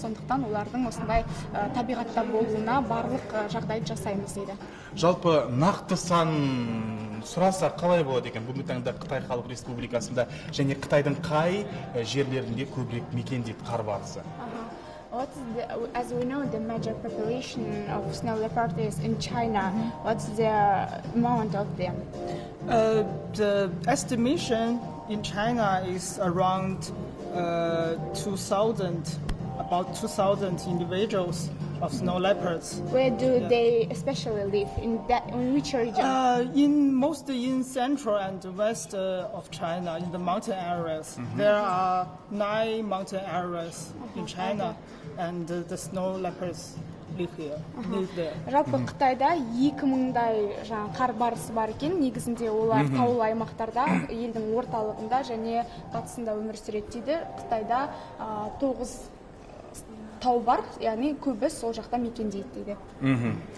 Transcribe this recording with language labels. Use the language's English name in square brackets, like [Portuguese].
[Kazakh] Сондықтан олардың осындай табиғатта болуына барлық жағдайды жасаймыз дейді. Жалпы нақты сан сұраса қалай болады екен? Бүгінгі таңда Қытай Халық Республикасында және Қытайдың қай жерлерінде көбірек мекендейді қар барысы? [English] As we know, the major population of snow leopard is in China. What's the amount of them? The estimation in China is around 2,000, about 2,000 individuals of snow leopards. Where do they especially live? In which region? Mostly in central and west of China, in the mountain areas. Mm-hmm. There are 9 mountain areas in China. And the snow leopards live here, live there. [Kazakh] Жалпы Қытайда 2000-дай жаңа қар барысы бар екен. Негізінде олар таулы аймақтарда, елдің орталығында және батысында өмір сүреді дейді. Қытайда 9 тау бар, яғни көбі сол жақта мекендейді дейді.